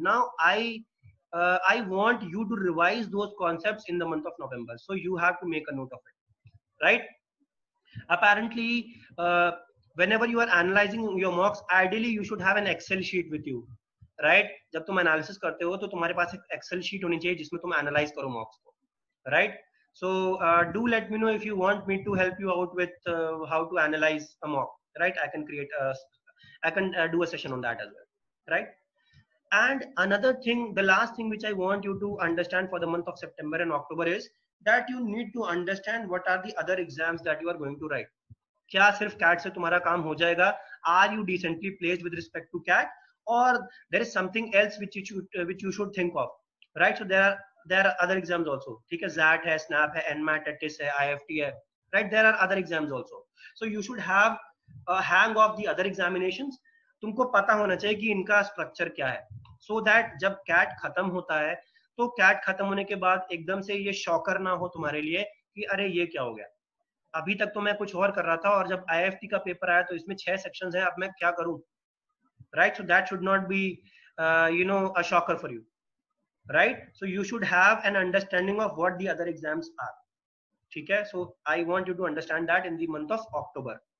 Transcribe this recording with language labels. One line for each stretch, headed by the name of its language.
English: Now I want you to revise those concepts in the month of November, so you have to make a note of it, right. Apparently whenever you are analysing your mocks, ideally you should have an Excel sheet with you, right.
Hindi: जब तुम analysis करते हो तो तुम्हारे पास एक Excel sheet होनी चाहिए जिसमें तुम एनालाइज करो मॉक्स को, right.
English: So do let me know if you want me to help you out with how to analyze a mock, right? I can create a, do a session on that as well, right? And another thing, the last thing which I want you to understand for the month of September and October is that you need to understand what are the other exams that you are going to write.
Hindi: Kya sirf CAT se tumhara kaam ho jayega?
English: Are you decently placed with respect to CAT, or there is something else which you should think of, right? So there are other exams also. ठीक है, ZAT है, SNAP है, NMAT है, TIS है, IFT है, right? There are other exams also. So you should have a hang of the other examinations.
Hindi: तुमको पता होना चाहिए कि इनका structure क्या है. So that जब CAT खत्म होता है, तो CAT खत्म होने के बाद एकदम से ये shocker ना हो तुम्हारे लिए कि अरे ये क्या हो गया? अभी तक तो मैं कुछ और कर रहा था, और जब IFT का paper आया तो इसमें 6 sections हैं, अब मैं क्या करूँ?
English: Right? So that should not be you know a shocker for you. Right? So you should have an understanding of what the other exams are.
Hindi: ठीक है?
English: So I want you to understand that in the month of October.